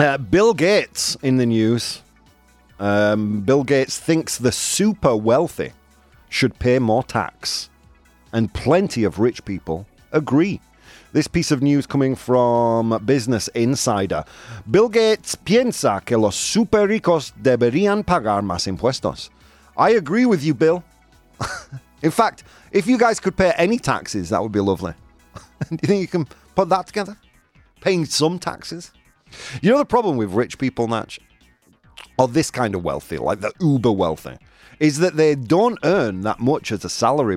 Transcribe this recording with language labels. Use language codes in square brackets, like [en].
[en] Bill Gates in the news. Bill Gates thinks the super wealthy should pay more tax, and plenty of rich people agree. This piece of news coming from Business Insider. [es] Bill Gates piensa que los super ricos deberían pagar más impuestos. [en] I agree with you, Bill. In fact, if you guys could pay any taxes, that would be lovely. Do you think you can put that together? Paying some taxes? You know the problem with rich people, Natch, or this kind of wealthy, like the uber wealthy, is that they don't earn that much as a salary.